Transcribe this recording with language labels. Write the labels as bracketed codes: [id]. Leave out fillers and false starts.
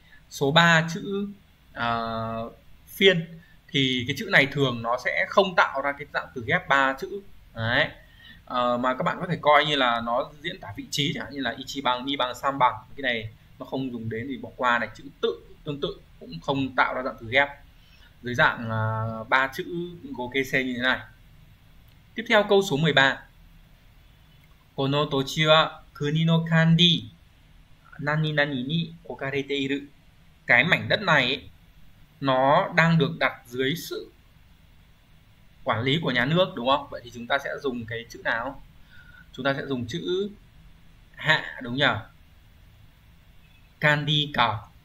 [vi] Số 3 chữ phiên, thì cái chữ này thường nó sẽ không tạo ra cái dạng từ ghép 3 chữ đấy, mà các bạn có thể coi như là nó diễn tả vị trí chẳng hạn như là Ichiban, Niban, Samban, cái này nó không dùng đến thì bỏ qua này, chữ tự tương tự cũng không tạo ra dạng từ ghép dưới dạng 3 chữ gồ kê xe như thế này. Tiếp theo câu số 13. [ja] この土地は国の管理何々に置かれている。 [vi] Cái mảnh đất này nó đang được đặt dưới sự quản lý của nhà nước đúng không? Vậy thì chúng ta sẽ dùng cái chữ nào? Chúng ta sẽ dùng chữ hạ đúng nhỉ? Candy cả.